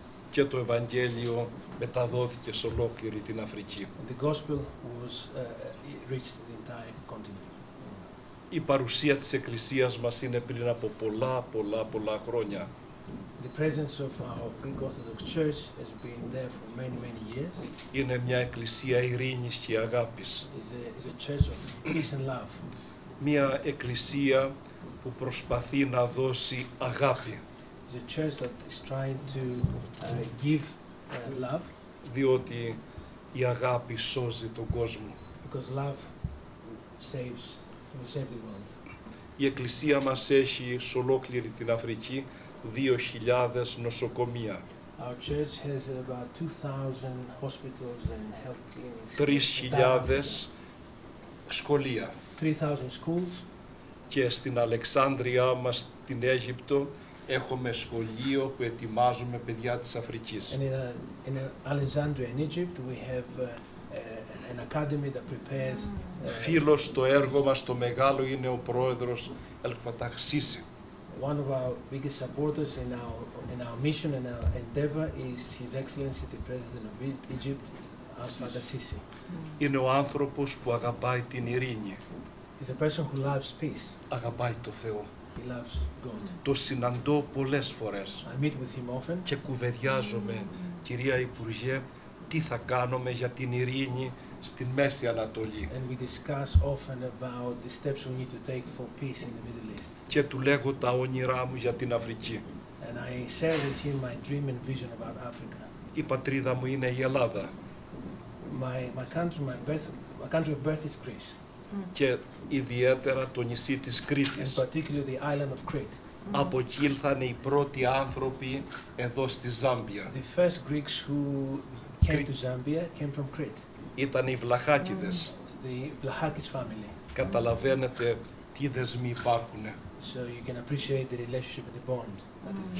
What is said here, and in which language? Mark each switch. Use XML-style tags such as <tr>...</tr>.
<el>Και το Ευαγγέλιο μεταδόθηκε σε ολόκληρη την Αφρική.</el> <en>The gospel was reached the entire continent.</en> <el>Η παρουσία της Εκκλησίας μας είναι πριν από πολλά, πολλά, πολλά χρόνια.</el> <en>The presence of our Greek Orthodox Church has been there for many, many years.</en> <el>Είναι μια εκκλησία ειρήνης και αγάπης.</el> <en>It's a church of peace and love.</en> <el>Μια εκκλησία που προσπαθεί να δώσει αγάπη.</el> <en>It's a church that is trying to give love.</en> <el>Διότι η αγάπη σώζει τον κόσμο.</el> <en>Because love saves, will save the world.</en> <el>Η εκκλησία μας έχει σε ολόκληρη την Αφρική 2.000 νοσοκομεία.</el> <en>Our church has about 2,000 hospitals and health clinics.</en> <el>3.000 σχολεία.</el> <en>3,000 schools.</en> <el>Και στην Αλεξάνδρειά μας, την Αίγυπτο, έχουμε σχολείο που ετοιμάζουμε παιδιά της Αφρικής.</el> <en>And in Alexandria, in Egypt, we have an academy that prepares.</en> <el>Φίλος στο έργο μας, το μεγάλο, είναι ο πρόεδρος Ελφαταχ Σίσι.</el> <en>One of our biggest supporters in our mission and our endeavor is His Excellency the President of Egypt, Father Sisi.</en> <el>Είναι ο άνθρωπος που αγαπάει την ειρήνη.</el> <en>He's a person who loves peace.</en> <el>Αγαπάει το Θεό.</el> <en>He loves God.</en> <el>Το συναντώ πολλές φορές.</el> <en>I meet with him often.</en> <el>Και κουβεντιάζομαι, κυρία Υπουργέ, τι θα κάνουμε για την ειρήνη στη Μέση Ανατολή.</el> <en>And we discuss often about the steps we need to take for peace in the Middle East.</en> <el>Και του λέγω τα όνειρά μου για την Αφρική.</el> <en>And I share with him my dream and vision about Africa.</en> <el>Η πατρίδα μου είναι η Ελλάδα.</el> <en>My country of birth is Greece.</en> <el>Και ιδιαίτερα το νησί της Κρήτης.</el> <en>In particular the island of Crete.</en> <el>Από εκεί ήλθαν οι πρώτοι άνθρωποι εδώ στη Ζάμπια.</el> <en>The first Greeks who came to Zambia came from Crete.</en> <el>Ήταν οι Βλαχάκηδες.</el> <en>The Vlahakis family.</en> <el>Καταλαβαίνετε τι δεσμοί υπάρχουν.</el> <en>So you can appreciate the relationship and the bond.</en>